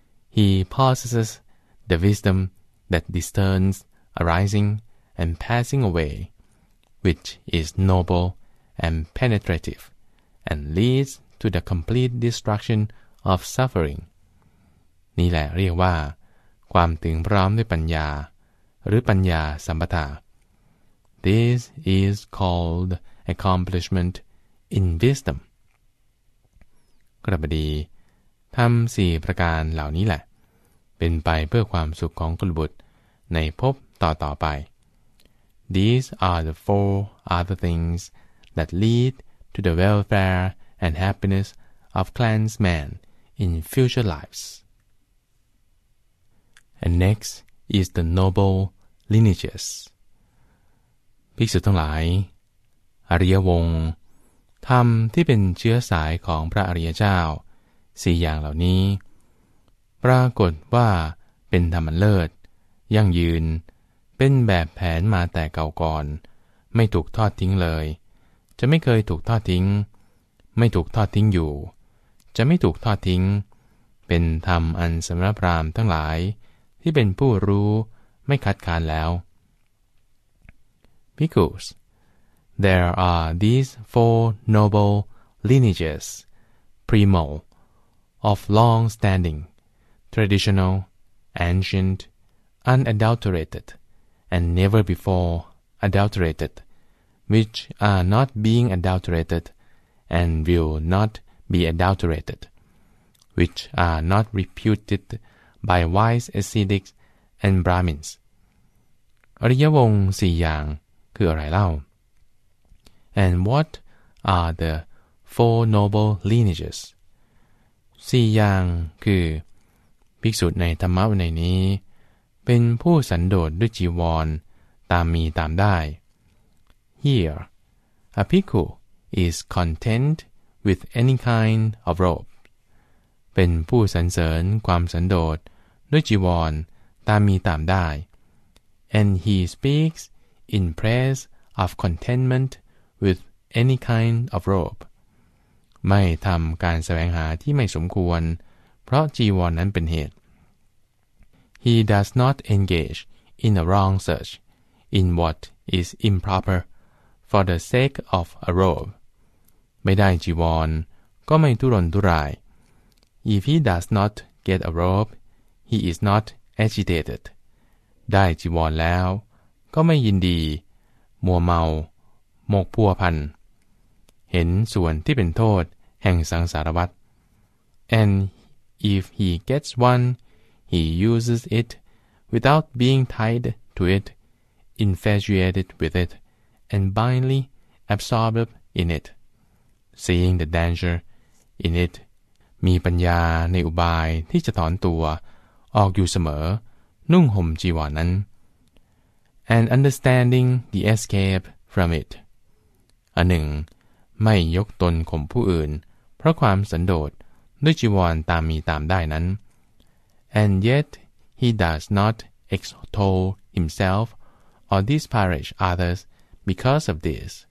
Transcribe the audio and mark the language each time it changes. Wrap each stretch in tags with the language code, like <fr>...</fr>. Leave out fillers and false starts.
<en>He possesses the wisdom that discerns arising and passing away, which is noble and penetrative, and leads to the complete destruction of suffering.</en> <th>นี่แหละเรียกว่าความถึงพร้อมด้วยปัญญาหรือปัญญาสัมปทา</th> <en>This is called accomplishment in wisdom.</en> <th>กระบดีทำสี่ประการเหล่านี้แหละเป็นไปเพื่อความสุขของกุลบุตรในภพต่อไป</th> <en>These are the four other things that lead to the welfare and happiness of clansmen in future lives. And next is the noble lineages.</en> <th>ภิกษุทั้งหลายอริยวงศ์ธรรมที่เป็นเชื้อสายของพระอริยเจ้า4อย่างเหล่านี้ปรากฏว่าเป็นธรรมเลิศยั่งยืนเป็นแบบแผนมาแต่เก่าก่อนไม่ถูกทอดทิ้งเลยจะไม่เคยถูกทอดทิ้งไม่ถูกทอดทิ้งอยู่จะไม่ถูกทอดทิ้งเป็นธรรมอันสำหรับพราหมณ์ทั้งหลายที่เป็นผู้รู้ไม่คัดค้านแล้ว</th> <en>ภิกขุThere are these four noble lineages, primal, of long standing, traditional, ancient, unadulterated, and never before adulterated, which are not being adulterated and will not be adulterated, which are not reputed by wise ascetics and Brahmins.</en> <th>อริยวงศ์สี่อย่างคืออะไรเล่า</th> <en>And what are the four noble lineages?</en> <th>สี่อย่างคือภิกษุในธรรมวินัยนี้เป็นผู้สันโดษด้วยจีวรตามมีตามได้</th> <en>Here, a bhikkhu is content with any kind of robe.</en> <th>เป็นผู้สรรเสริญความสันโดษด้วยจีวรตามมีตามได้</th> <en>And he speaks in praise of contentmentwith any kind of robe</en> <th>ไม่ทำการแสวงหาที่ไม่สมควรเพราะจีวรนั้นเป็นเหตุ</th> <en>He does not engage in a wrong search in what is improper for the sake of a robe</en> <th>ไม่ได้จีวรก็ไม่ทุรนทุราย</th> <en>If he does not get a robe he is not agitated</en> <th>ได้จีวรแล้วก็ไม่ยินดีมัวเมาหมกพัวพันเห็นส่วนที่เป็นโทษแห่งสังสารวัฏ</th> <en>And if he gets one, he uses it without being tied to it, infatuated with it, and blindly absorbed in it. Seeing the danger in it,</en> <th>มีปัญญาในอุบายที่จะถอนตัวออกอยู่เสมอนุ่งห่มจีวรนั้น</th> <en>And understanding the escape from it.</en> <th>อันหนึ่ง ไม่ยกตนข่มผู้อื่นเพราะความสันโดษด้วยจีวรตามมีตามได้นั้น</th> <en>And yet he does not extol himself or disparage others because of this</en>